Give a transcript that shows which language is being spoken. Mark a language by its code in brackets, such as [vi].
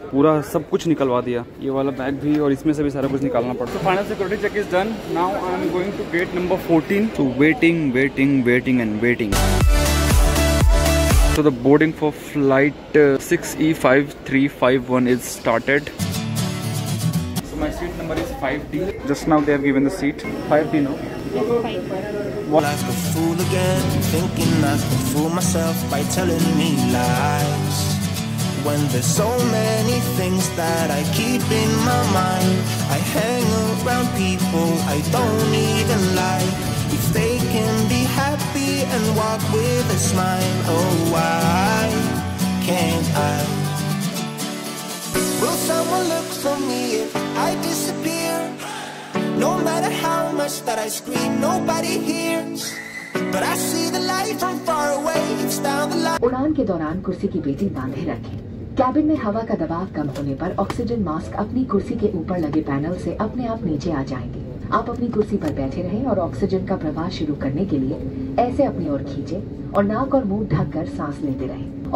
[hi] पूरा सब कुछ निकलवा दिया, ये वाला बैग भी और इसमें से भी सारा कुछ निकालना पड़ा। [en] Final security check is done, now I am going to gate number 14। So waiting waiting waiting and waiting. So the boarding for flight 6E5351 is started. My seat number is 5D. Just now they have given the seat 5D, no? 5D. Life's a fool again, thinking I could fool myself by telling me lies. When there's so many things that I keep in my mind, I hang around people I don't even like. If they can be happy and walk with a smile, oh why can't I? Will someone look for me if I disappear? No matter how much that I scream, nobody hears. But I see the light from far away, it's down the line. [hi] उड़ान के दौरान कुर्सी की पेटी बांधे रखें। Cabin में हवा का दबाव कम होने पर ऑक्सीजन मास्क अपनी कुर्सी के ऊपर लगे पैनल से अपने आप नीचे आ जाएंगे। आप अपनी कुर्सी पर बैठे रहें और ऑक्सीजन का प्रवाह शुरू करने के लिए ऐसे अपनी ओर खींचे और नाक और मुंह ढक कर सांस लेते रहें।